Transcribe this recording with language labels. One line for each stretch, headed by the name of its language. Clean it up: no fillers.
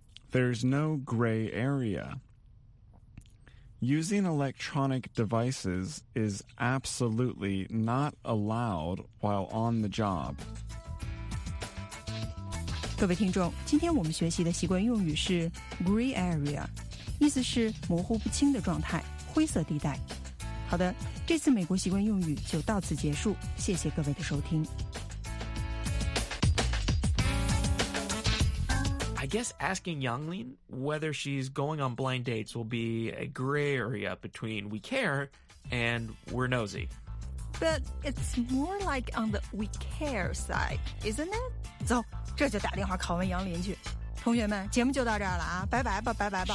English: There's no gray area. Using electronic devices is absolutely not allowed while on the job.
Chinese: 各位听众，今天我们学习的习惯用语是 gray area. 意思是模糊不清的状态，灰色地带。好的，这次美国习惯用语就到此结束，谢谢各位的收听。
English: I guess asking Yanglin whether she's going on blind dates will be a gray area between we care and we're nosy. But it's more like on the we care side, isn't it?
Chinese: 走，这就打电话拷问Yanglin去。同学们，节目就到这儿了啊，拜拜吧，拜拜吧。